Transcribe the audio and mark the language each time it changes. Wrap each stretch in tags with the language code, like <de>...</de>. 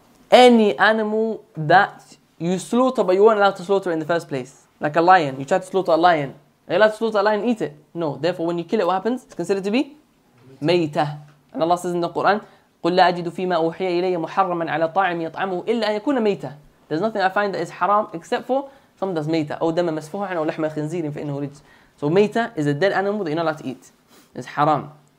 <en>Any animal that you slaughter but you weren't allowed to slaughter in the first place, like a lion, you try to slaughter a lion, are you allowed to slaughter a lion and eat it? No, therefore, when you kill it, what happens? It's considered to be Meta. And Allah says in the Quran,</en> <ar>قُلْ لَا أَجِدُ فِي مَا أُوحِيَ إِلَيَّ مُحَرَّمًا عَلَى طَاعِمٍ يَطْعَمُهُ إِلَّا أَنْ يَكُونَ مَيْتَ.</ar> <en>There's nothing I find that is haram except for something that's Meta.</en> <ar>أو دَمَ مَسْفُوحًا أو لَحْمَ خِنْزِيرٍ فَإِنَّهُ رِجْسٌ.</ar> <en>So Meta is a dead animal that you're not allowed to eat. It's haram.</en>